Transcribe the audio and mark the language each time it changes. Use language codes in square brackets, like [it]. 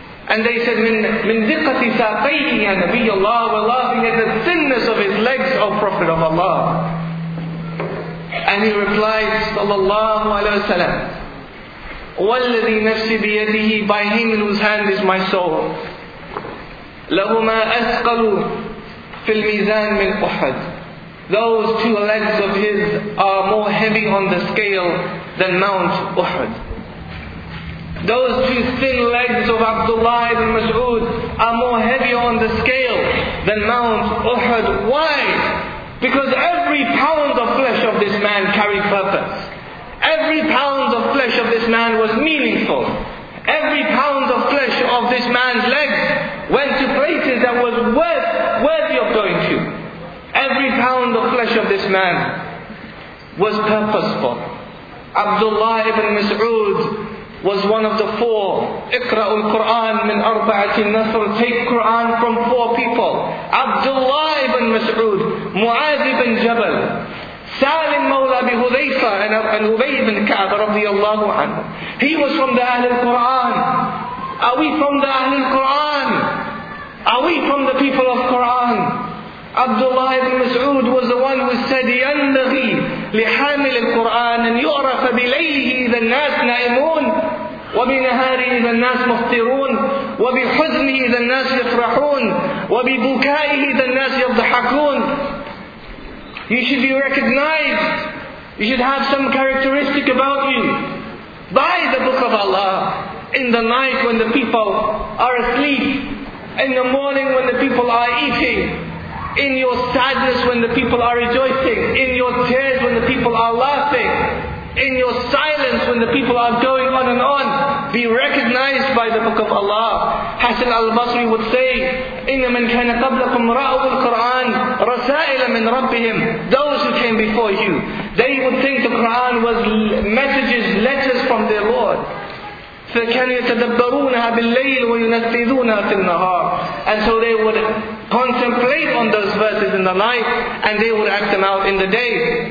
[en] And they said, [ar] مِنْ دِقَّةِ سَاقَيْهِ يَا نَبِيَ اللَّهِ, [en] we're laughing at the thinness of his legs, O Prophet of Allah. And he replied, sallallahu alayhi wa sallam, [ar] وَالَّذِي نَفْسِ بِيَدِهِ, [en] by him in whose hand is my soul. [ar] لهما أثقل في الميزان من أحد. [en] Those two legs of his are more heavy on the scale than Mount Uhud. Those two thin legs of Abdullah ibn Mas'ud are more heavy on the scale than Mount Uhud. Why? Because every pound of flesh of this man carried purpose. Every pound of flesh of this man was meaningful. Every pound of flesh of this man's legs went to places that was worthy of going to. Every pound of flesh of this man was purposeful. Abdullah ibn Mas'ud was one of the four. [ar] Iqra'ul Qur'an min arba'atin nasr. [en] Take Qur'an from four people. Abdullah ibn Mas'ud, Mu'adh ibn Jabal, Salim Mawla bi Hudhayfa and Ubay ibn Ka'b radiyallahu anhu. He was from the Ahlul Qur'an. Are we from the Ahlul Qur'an? Are we from the people of Qur'an? Abdullah ibn Mas'ud was the one who said, [ar] يَنَّغِي لِحَامِلِ الْقُرْآنِ أَنْ يُعْرَفَ بِلَيْلِهِ إِذَا النَّاسِ نَائِمُونَ وَبِنَهَارِهِ إِذَا النَّاسِ مُفْطِرُونَ وَبِحُزْنِهِ إِذَا النَّاسِ يَفْرَحُونَ وَبِبُكَائِهِ إِذَا النَّاسِ يَضْحَكُونَ. [en] You should be recognized. You should have some characteristic about you. By the Book of Allah, in the night when the people are asleep, in the morning when the people are eating, in your sadness when the people are rejoicing, in your tears when the people are laughing, in your silence when the people are going on and on, be recognized by the Book of Allah. Hasan al-Basri would say, [ar] إِنَّ مَنْ كَانَ قَبْلَكُمْ رَأَوُوا الْقُرْآنَ رَسَائِلًا مِنْ رَبِّهِمْ. [en] Those who came before you, they would think the Qur'an was messages, letters from their Lord. [ar] فَكَانُوا يَتَدَبَّرُونَهَا بِاللَّيْلِ وَيُنَفِّذُونَهَا فِي النَّهَارِ. [en] And so they would contemplate on those verses in the night and they would act them out in the day.